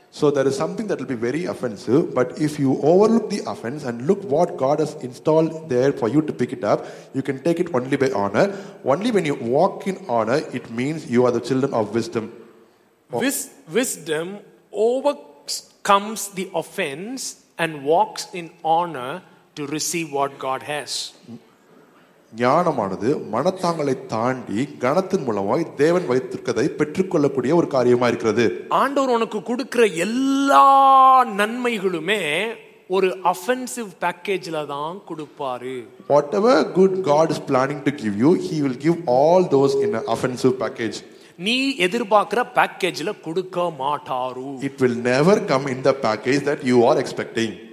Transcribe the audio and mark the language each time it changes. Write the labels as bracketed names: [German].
[English] So there is something that will be very offensive, but if you overlook the offense and look what God has installed there for you to pick it up, you can take it only by honor. Only when you walk in honor, it means you are the children of wisdom. Wisdom overcomes the offense and walks in honor to receive what God has. [Tamil] ஞானமானது மனத்தாங்களை தாண்டி கணத்தின் மூலமாய் தேவன் வைத்திருக்கதை பெற்றுக்கொள்ளக்கூடிய ஒரு காரியமா இருக்கிறது. ஆண்டவர் உனக்கு கொடுக்கிற எல்லா நன்மைகளுமே ஒரு ஆஃபென்சிவ் பேக்கேஜ்ல தான் கொடுப்பாரு. [English] Whatever good God is planning to give you, he will give all those in an offensive package. [Tamil] நீ எதிர்பார்க்கிற பேக்கேஜ்ல கொடுக்க மாட்டாரு. [English] It will never come in the package that you are expecting.